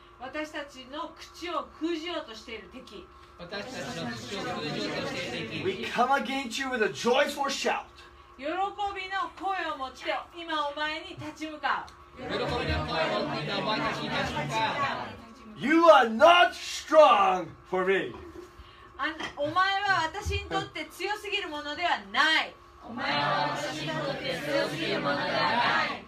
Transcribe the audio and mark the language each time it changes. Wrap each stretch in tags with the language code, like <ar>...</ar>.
<ja>私たちの口を封じようとしている敵。</ja> <en>We come against you with a joyful shout.</en> <ja>喜びの声を持って今お前に立ち向かう。</ja> <en>You are not strong for me.</en> <ja>お前は私にとって強すぎるものではない。お前は私にとって強すぎるものではない。</ja>